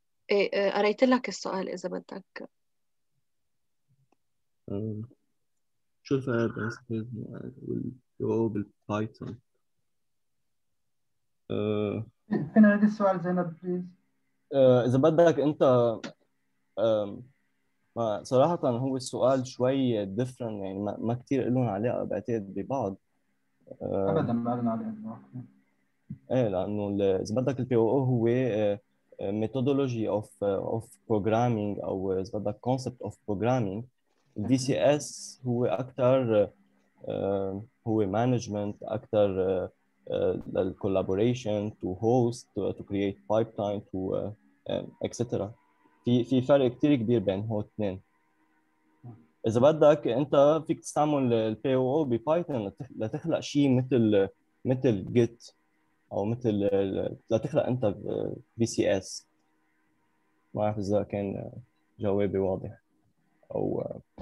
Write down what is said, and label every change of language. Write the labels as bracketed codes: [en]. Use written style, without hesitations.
[ar] ايه قريت لك السؤال اذا بدك. شو الفرق بين VSC والبو بالبايثون؟ [en] Can I read this one, Zainab, please? [ar] إذا بدك أنت ما صراحة هو السؤال شوي different، يعني ما كتير إلهم علاقة بعتقد ببعض. أبدا ما لنا عليه الوقت. إيه، لأنه إذا بدك الـ PO هو methodology of programming، أو إذا بدك concept of programming. الـ VCS هو أكثر، هو management أكثر، لل collaboration [en] to host to create pipeline to etc. [ar] في فرق كتير كبير بين هو اثنين. إذا بدك أنت فيك تستعمل الـ PO بـ Python لتخلق شيء مثل Git، أو مثل لتخلق أنت VCS. ما أعرف إذا كان جوابي واضح أو